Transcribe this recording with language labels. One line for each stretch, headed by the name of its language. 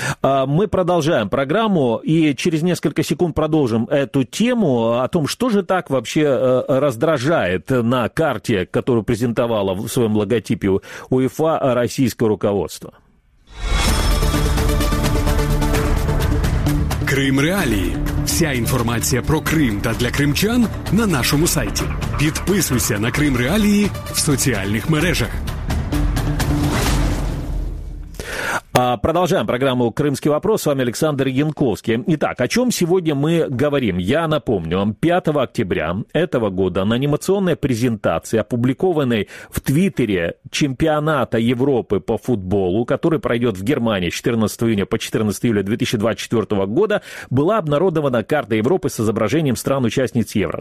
Russian: Мы продолжаем программу и через несколько секунд продолжим эту тему о том, что же так вообще раздражает на карте, которую презентовала в своем логотипе УЕФА российское руководство.
Ukrainian: Крим реалії. Вся інформація про Крим та для кримчан на нашому сайті. Підписуйся на Крим реалії в соціальних мережах.
Russian: Продолжаем программу «Крымский вопрос». С вами Александр Янковский. Итак, о чем сегодня мы говорим? Я напомню вам, 5 октября этого года на анимационной презентации, опубликованной в Твиттере чемпионата Европы по футболу, который пройдет в Германии с 14 июня по 14 июля 2024 года, была обнародована карта Европы с изображением стран-участниц Евро.